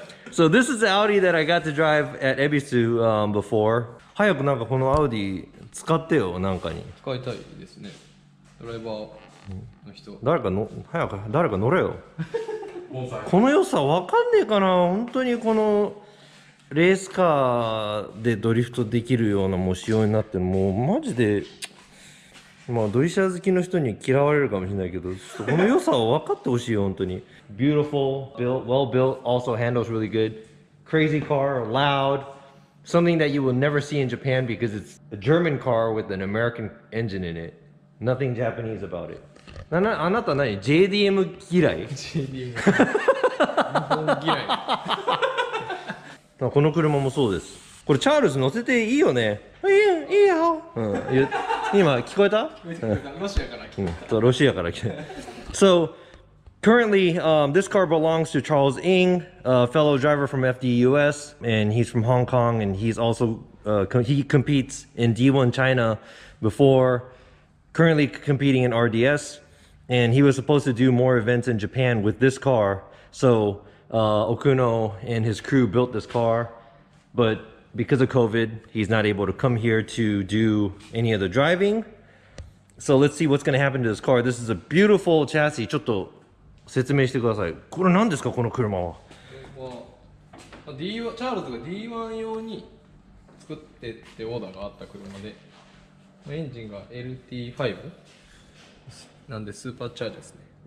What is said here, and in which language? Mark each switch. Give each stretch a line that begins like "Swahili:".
English: So this is the Audi that I got to drive at Ebisu before.
Japanese: 早くなんかこのアウディ使ってよなんかに。使いたいですね。ドライバーの人。早く誰か乗れよ。この良さわかんねえかな。本当にこのレースカーでドリフトできるようなもう仕様になってもうマジで、まあドリシャー好きの人に嫌われるかもしれないけど、この良さを分かってほしいよ本当に。
English: Beautiful, built, well built, also handles really good. Crazy car, loud. Something that you will never see in Japan because it's a German car with an American engine in it. Nothing Japanese about it.
Japanese: あなた何 ?JDM 嫌い ?JDM 嫌い。この車もそうです。これチャールズ乗せていいよね。いいよ。うん、今聞こえた？ロシアから来た。ロシアから来た。
English: So, currently, this car belongs to Charles Ng, a fellow driver from FDUS, and he's from Hong Kong, and he's also, he competes in D1 China before, currently competing in RDS, and he was supposed to do more events in Japan with this car. So, Okuno and his crew built this car, but because of COVID, he's not able to come here to do any of the driving. So let's see what's going to happen to this car. This is a beautiful chassis.
Japanese: ちょっと説明してください。これ何ですか、この車は。これは、チャールズが D1 用に作ってってオーダーがあった車で、エンジンが LT5 なんでスーパーチャージですね。